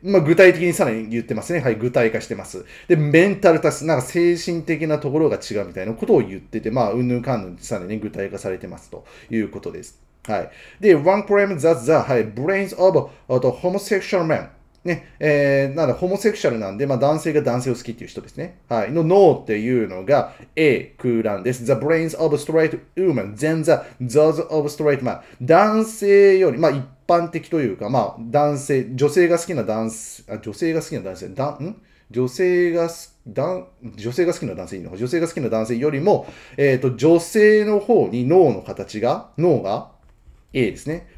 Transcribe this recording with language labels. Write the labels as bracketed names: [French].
[Japanese] まあ、具体的にさらに言ってますね。具体化してます。で、メンタルタス、なんか精神的なところが違うみたいなことを言ってて、まあ、うんぬんかんぬんさらにね、具体化されてますということです。で、 [English] one problem that brains of homosexual men [Japanese] ね、なんだ、ホモセクシャルなんで、まあ、男性が男性を好きっていう人ですね。の脳っていうのが A 空欄です。 [English] The brains of straight women than those of straight men。 [Japanese] 男性より、まあ、一般的というか、まあ、男性、女性が好きな男性、あ、女性が好きな男性、だ、ん？女性が好き、だ、女性が好きな男性いいのか、女性が好きな男性よりも、女性の方に脳の形が、脳が A ですね。